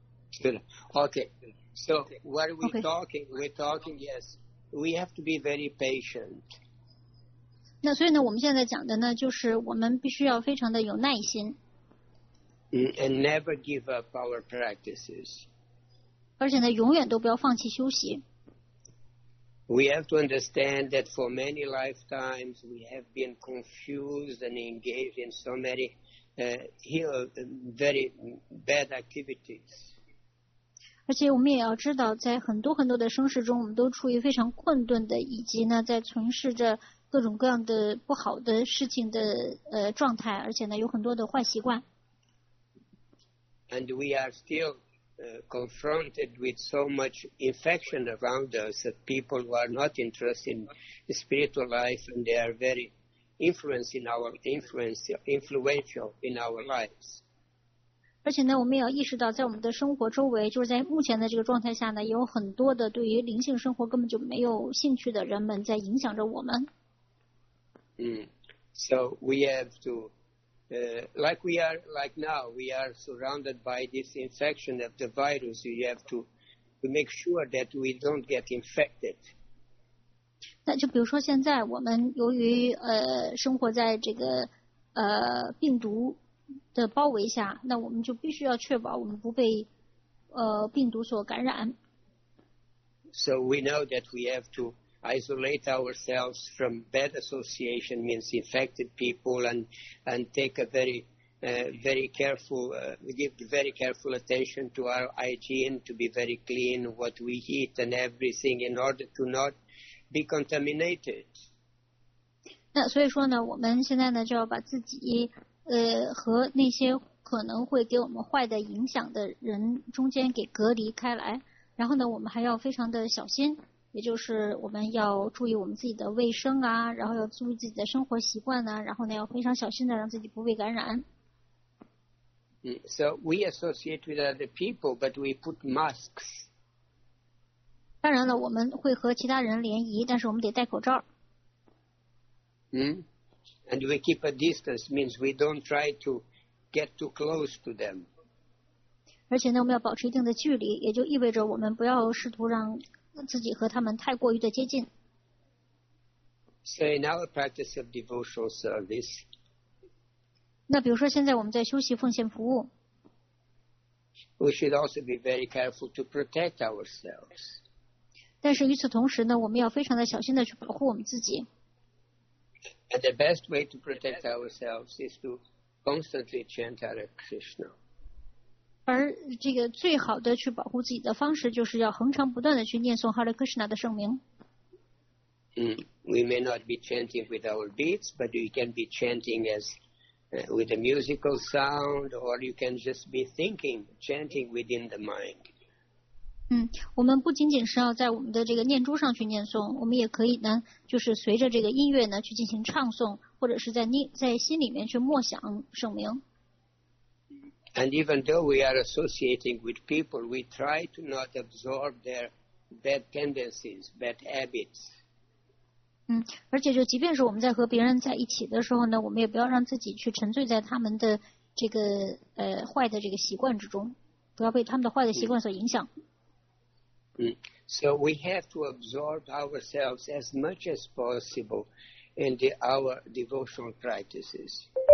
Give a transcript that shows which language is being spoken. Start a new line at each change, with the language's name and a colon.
Chinese: 是的
English: ，Okay. So what are we talking? We're talking. Yes, we have to be very patient.
Chinese: 那所以呢，我们现在讲的呢，就是我们必须要非常的有耐心。
English: And never give up our practices.
Chinese: 而且呢，永远都不要放弃修习。
English: We have to understand that for many lifetimes we have been confused and engaged in so many very bad activities.
Chinese: 而且我们也要知道，在很多很多的生世中，我们都处于非常困顿的，以及呢，在从事着。各种各样的不好的事情的状态，而且呢有很多的坏习惯。
English: And we are still confronted with so much infection around us that people who are not interested in spiritual life and they are very influential in our lives.
Chinese: 而且呢，我们也要意识到，在我们的生活周围，就是在目前的这个状态下呢，有很多的对于灵性生活根本就没有兴趣的人们在影响着我们。
English: So we have to, like now, we are surrounded by this infection of the virus. We have to make sure that we don't get infected.
Chinese: 那就比如说现在我们由于生活在这个病毒的包围下，那我们就必须要确保我们不被病毒所感染。
English: So we know that we have to. Isolate ourselves from bad association means infected people and take a very careful attention to our hygiene, to be very clean what we eat and everything in order to not be contaminated.
Chinese: 那所以说呢，我们现在呢就要把自己和那些可能会给我们坏的影响的人中间给隔离开来，然后呢我们还要非常的小心。也就是我们要注意我们自己的卫生啊，然后要注意自己的生活习惯啊，然后呢要非常小心的让自己不被感染。
English: So we associate with other people, but we put masks.
Chinese: 当然了，我们会和其他人联谊，但是我们得戴口罩。
English: And we keep a distance, means we don't try to get too close to them.
Chinese: 而且呢，我们要保持一定的距离，也就意味着我们不要试图让。自己和他们太过于的接近。
English: So in our practice of devotional service,
Chinese: 那比如说现在我们在修习奉献服务。
English: We should also be very careful to protect ourselves.
Chinese: 但是与此同时呢，我们要非常的小心的去保护我们自己。
English: And the best way to protect ourselves is to constantly chant Hare Krishna.
Chinese: 而这个最好的去保护自己的方式，就是要恒常不断的去念诵 Hare Krishna 的圣名。
English: We may not be chanting with our beats, but you can be chanting as with a musical sound, or you can just be thinking, chanting within the mind.
Chinese: 我们不仅仅是要在我们的这个念珠上去念诵，我们也可以呢，就是随着这个音乐呢去进行唱诵，或者是在心里面去默想圣名。
English: And even though we are associating with people, we try to not absorb their bad tendencies, bad habits.
Chinese: 而且就即便是我们在和别人在一起的时候呢，我们也不要让自己去沉醉在他们的这个坏的这个习惯之中，不要被他们的坏的习惯所影响。
English: So we have to absorb ourselves as much as possible into our devotional practices.